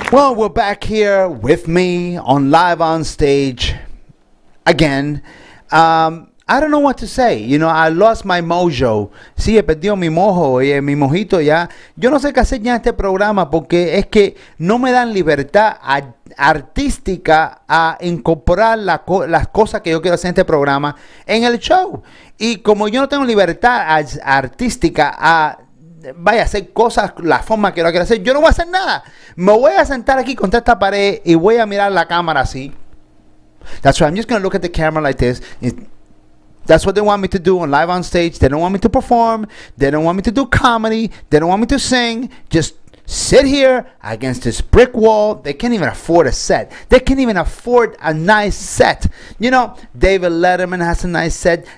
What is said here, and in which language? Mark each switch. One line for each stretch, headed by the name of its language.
English: Well, we're back here with me on Live on Stage again. I don't know what to say. You know, I lost my mojo.
Spanish: Sí, he perdido mi mojo, oye, mi mojito ya. Yo no sé qué hacer ya en este programa porque es que no me dan libertad artística a incorporar las cosas que yo quiero hacer en este programa en el show. Y como yo no tengo libertad artística a vaya a hacer cosas la forma que yo quiero hacer, yo no voy a hacer nada. Me voy a sentar aquí contra esta pared y voy a mirar la cámara así.
English: That's right. I'm just going to look at the camera like this. That's what they want me to do on Live on Stage. They don't want me to perform. They don't want me to do comedy. They don't want me to sing. Just sit here against this brick wall. They can't even afford a set. They can't even afford a nice set. You know, David Letterman has a nice set.